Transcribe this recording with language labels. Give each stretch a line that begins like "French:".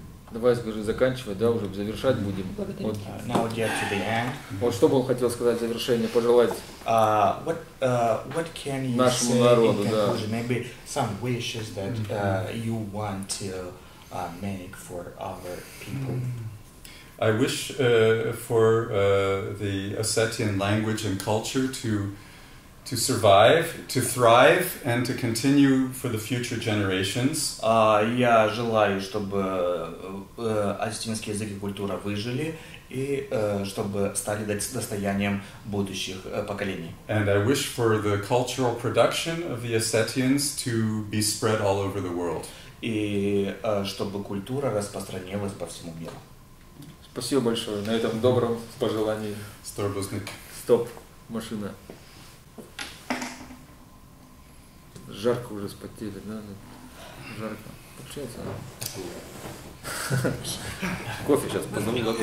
Russian: Давай, скажи, заканчивать, да, уже завершать будем. Вот.
English: Now we get to the end.
Russian: Вот что бы он хотел сказать в завершение, пожелать
English: what can you
Russian: нашему
English: say
Russian: народу,
English: in conclusion?
Russian: Да.
English: Maybe some wishes that you want to make for other people. I wish for the Ossetian language and culture to survive, to thrive, and to continue for the future generations.
Russian: Я желаю, чтобы осетинский язык и культура выжили и чтобы стали достоянием будущих поколений.
English: And I wish for the cultural production of the Ossetians to be spread all over the world.
Russian: И чтобы культура распространилась по всему миру. Спасибо большое на этом добром пожелании. Сторбузник. Стоп, машина. Жарко уже спотели, да? Жарко. Получается, да? Кофе сейчас позвоню.